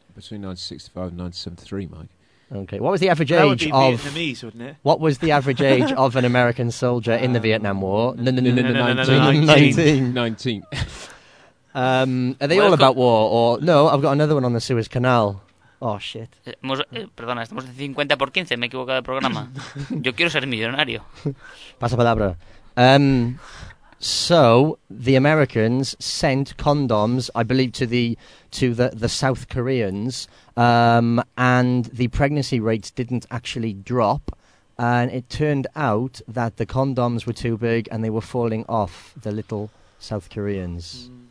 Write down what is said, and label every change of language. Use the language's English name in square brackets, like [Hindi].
[English] Between 1965 and 1973, Mike. Okay, what was the average age of... That would be Vietnamese, wouldn't it? What was the average age of an American soldier in the Vietnam War? No, 19. 19. Are they all about war? Or no, I've got another one on the Suez Canal. Oh, shit. [Spanish] Perdona, estamos en 50 por 15, me he equivocado el programa. Yo quiero ser millonario. Pasa palabra. [English] So, the Americans sent condoms, I believe, to the South Koreans, and the pregnancy rates didn't actually drop, and it turned out that the condoms were too big and they were falling off the little South Koreans.